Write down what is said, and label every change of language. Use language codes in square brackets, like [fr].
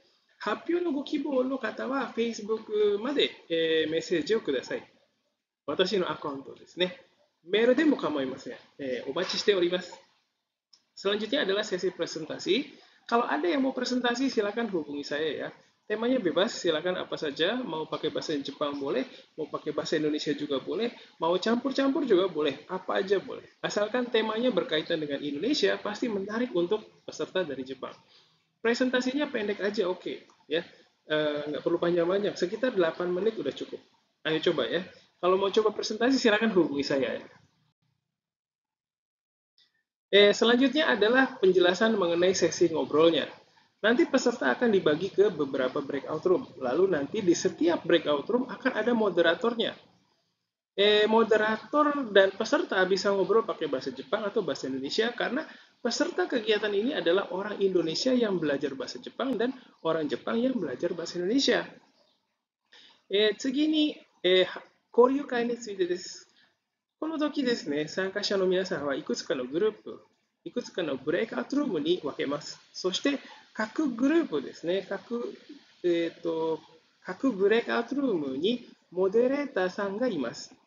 [ja] 大丈夫です。ぜひチャレンジしてください。発表のご希望の方は Facebook までメッセージをください。私のアカウントですね。メールでも構いません。お待ちしております。 [id] Selanjutnya adalah sesi presentasi. Kalau ada yang mau presentasi silakan hubungi saya ya. Temanya bebas, silakan apa saja, mau pakai bahasa Jepang boleh, mau pakai bahasa Indonesia juga boleh, mau campur-campur juga boleh, apa aja boleh. Asalkan temanya berkaitan dengan Indonesia, pasti menarik untuk peserta dari Jepang. Presentasinya pendek aja, oke. Okay. Ya, nggak perlu panjang-panjang, sekitar 8 menit udah cukup. Ayo coba ya. Kalau mau coba presentasi, silakan hubungi saya. Selanjutnya adalah penjelasan mengenai sesi ngobrolnya. Nanti peserta akan dibagi ke beberapa breakout room. Lalu nanti di setiap breakout room akan ada moderatornya. Moderator dan peserta bisa ngobrol pakai bahasa Jepang atau bahasa Indonesia karena peserta kegiatan ini adalah orang Indonesia yang belajar bahasa Jepang dan orang Jepang yang belajar bahasa Indonesia. [ja] 次に、交流会についてです。この時ですね、参加者の皆さんはいくつかのグループ、いくつかのブレイクアウトルームに分けます。そして各グループですね、各ブレイクアウトルームにモデレーターさんがいます。